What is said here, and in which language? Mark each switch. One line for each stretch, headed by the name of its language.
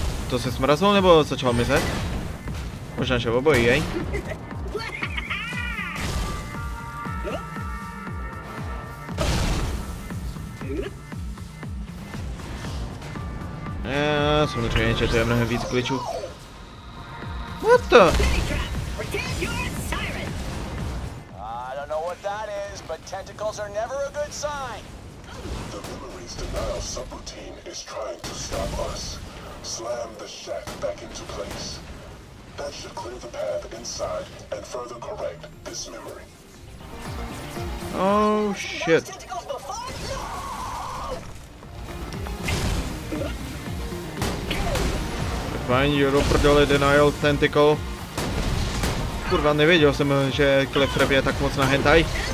Czech: To se smrazil nebo začal mizet? Možná, že obojí, jej? Samozřejmě, že to je mnohem víc kličů.
English: What the? I don't know what that is, but tentacles are never a good sign. The memory's denial subroutine is trying to stop us. Slam the shack back into place. That should clear the path inside and further correct this memory. Oh shit. Fine, you're up for the denial tentacle.
Czech: Kurva, nevěděl jsem, že Cliff je tak moc na hentai.